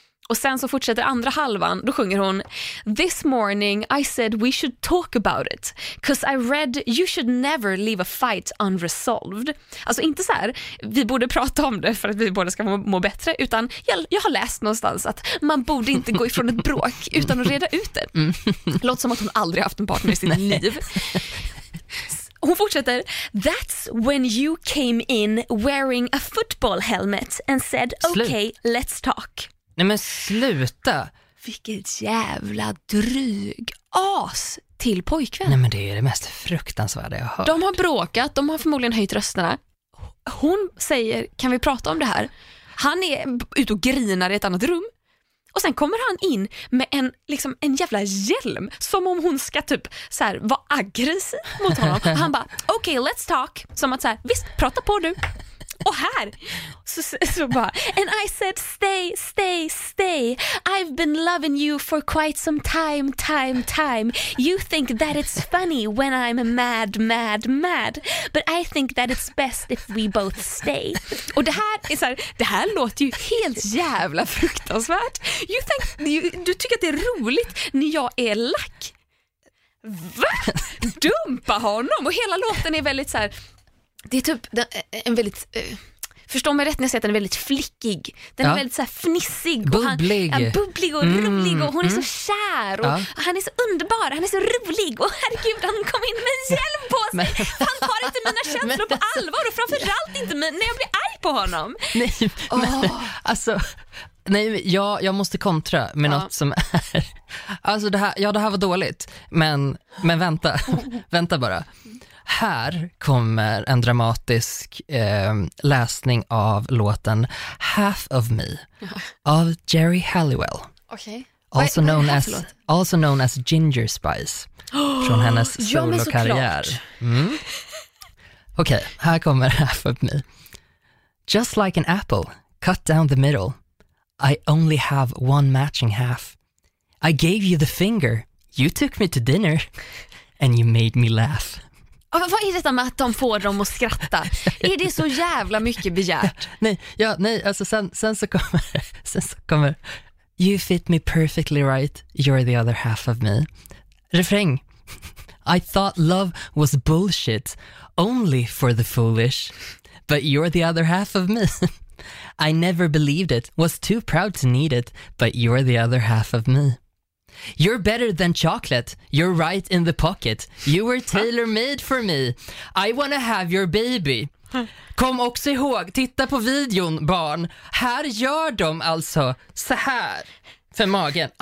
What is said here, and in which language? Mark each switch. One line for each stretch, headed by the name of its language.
Swedish: Och sen så fortsätter andra halvan, då sjunger hon:
English: "This morning I said we should talk about it, 'cause I read you should never leave a fight unresolved."
Swedish: Alltså inte så här, vi borde prata om det för att vi båda ska må bättre, utan jag har läst någonstans att man borde inte gå ifrån ett bråk utan att reda ut det. Låter som att hon aldrig haft en partner i sin liv. Hon fortsätter:
English: "That's when you came in wearing a football helmet and said, 'Okay, let's talk.'"
Swedish: Nej men sluta. Vilket jävla dryg as till pojkvän. Nej men det är det mest fruktansvärda jag hört. De har bråkat, de har förmodligen höjt rösterna. Hon säger: "Kan vi prata om det här?" Han är ute och grinar i ett annat rum. Och sen kommer han in med en, liksom, en jävla hjälm, som om hon ska typ så här vara aggressiv mot honom. Och han bara:
English: "Okay, let's talk."
Swedish: Som att så här: "Visst, prata på du." Och här så bara:
English: "And I said stay, stay, stay. I've been loving you for quite some time, time, time. You think that it's funny when I'm mad, mad, mad. But I think that it's best if we both stay."
Swedish: Och det här är så här, det här låter ju helt jävla fruktansvärt.
English: "You think
Swedish: du tycker att det är roligt när jag är lack." Va? Dumpa honom. Och hela låten är väldigt så här, det är typ en väldigt, förstår mig rätt när jag säger att den är väldigt flickig. Den är väldigt så här fnissig. Bubblig. Och han är bubblig och rolig och hon är så kär. Och, och han är så underbar, han är så rolig. Och herregud, han kom in med en hjälm på sig. Han tar inte mina känslor på allvar. Och framförallt inte när jag blir arg på honom. Nej, men alltså, nej, jag måste kontra med något som är... Alltså, det här var dåligt. Men vänta, vänta bara. Här kommer en dramatisk läsning av låten Half of Me av Jerry Halliwell.
English: Okay. Also known as Ginger Spice
Swedish: från hennes solokarriär. Okej, här kommer Half of Me.
English: "Just like an apple, cut down the middle. I only have one matching half. I gave you the finger, you took me to dinner, and you made me laugh."
Swedish: Vad är det med att de får dem att skratta? Är det så jävla mycket begärt? Nej, alltså sen så kommer
English: "You fit me perfectly right, you're the other half of me." Refräng: "I thought love was bullshit, only for the foolish, but you're the other half of me. I never believed it, was too proud to need it, but you're the other half of me. You're better than chocolate, you're right in the pocket. You were tailor made for me. I wanna have your baby."
Swedish: Kom också ihåg, titta på videon barn. Här gör de alltså så här för magen.